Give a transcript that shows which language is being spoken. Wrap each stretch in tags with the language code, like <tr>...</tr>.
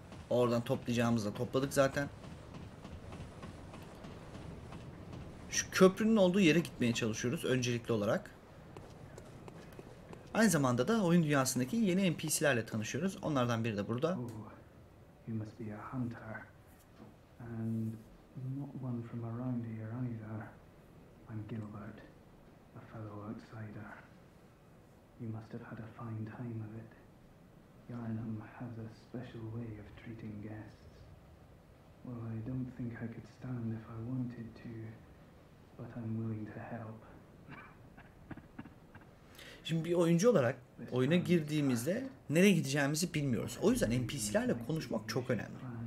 <tr>Oradan toplayacağımızı da topladık zaten. Şu köprünün olduğu yere gitmeye çalışıyoruz öncelikli olarak. Aynı zamanda da oyun dünyasındaki yeni NPC'lerle tanışıyoruz. Onlardan biri de burada.</tr> <en>Oh, you must be a hunter. And not one from around here either. I'm Gilbert, a fellow outsider. You must have had a fine time of it. Yarnum has a special way of treating guests. Well, I don't think I could stand if I wanted to, but I'm willing to help.</en> <tr>Şimdi bir oyuncu olarak oyuna girdiğimizde nereye gideceğimizi bilmiyoruz. O yüzden NPC'lerle konuşmak çok önemli.</tr>